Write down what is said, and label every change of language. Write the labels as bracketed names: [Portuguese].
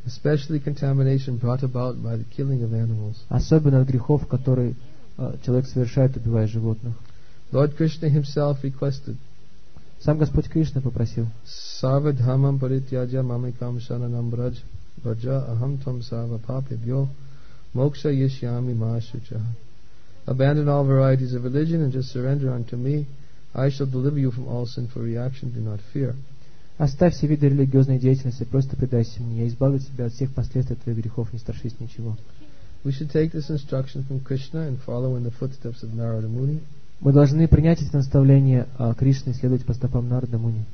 [English] Especially contamination brought about by the killing of animals. [Russian] Особенно от грехов, которые человек совершает, убивая животных. [English] Lord Krishna himself requested. [Russian] Сам Господь Кришна попросил. [Sanskrit] Sarva dhammam parityajya mamekam sharanam braj braja aham tvam sarva papebhyo moksha yishyami mahashuchaha. [English] Abandon all varieties of religion and just surrender unto me. I shall deliver you from all sinful reaction. Do not fear. [Russian] Оставь все виды религиозной деятельности, просто предайся мне. Я избавлю тебя от всех последствий твоих грехов, не страшись ничего. [English] We should take this instruction from Krishna and follow in the footsteps of Narada Muni. [Russian] Мы должны принять это наставление Кришны и следовать по стопам Нарада Муни.